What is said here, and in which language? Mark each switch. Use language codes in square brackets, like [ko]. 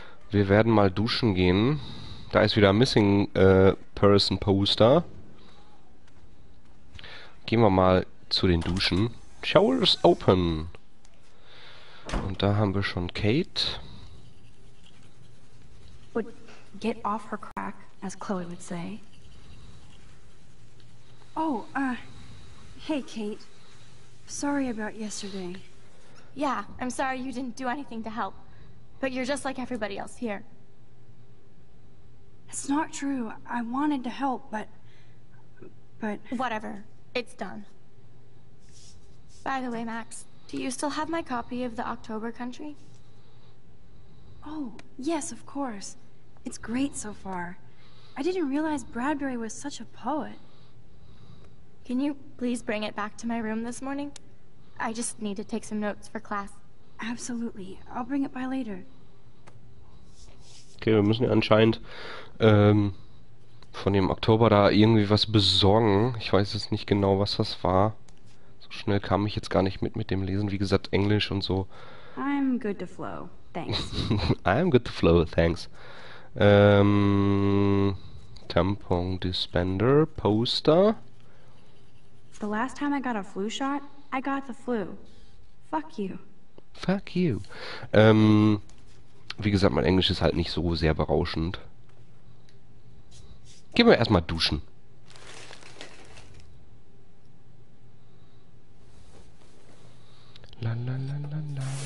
[de] Wir werden mal duschen gehen. Da ist wieder ein Missing Person Poster. Gehen wir mal zu den Duschen. [en] Showers open. [de] Und da haben wir schon Kate. [en] Would get off her crack, as Chloe would say. Oh, hey, Kate. Sorry about yesterday. Yeah, I'm sorry you didn't do anything to help. But you're just like everybody else here. It's not true. I wanted to help, but... Whatever. It's done. By the way, Max, do you still have my copy of the October Country? Oh, yes, of course. It's great so far. I didn't realize Bradbury was such a poet. Can you please bring it back to my room this morning? I just need to take some notes for class. Absolutely. I'll bring it by later. [de] Okay, wir müssen ja anscheinend von dem Oktober da irgendwie was besorgen. Ich weiß jetzt nicht genau, was das war. So schnell kam ich jetzt gar nicht mit dem Lesen. Wie gesagt, Englisch und so. [en] I'm good to flow. Thanks. I'm good to flow. Thanks. Tampon Dispender Poster. The last time I got a flu shot, I got the flu. Fuck you. Fuck you. [de] Wie gesagt, mein Englisch ist halt nicht so sehr berauschend. Gehen wir erstmal duschen. La la la la la.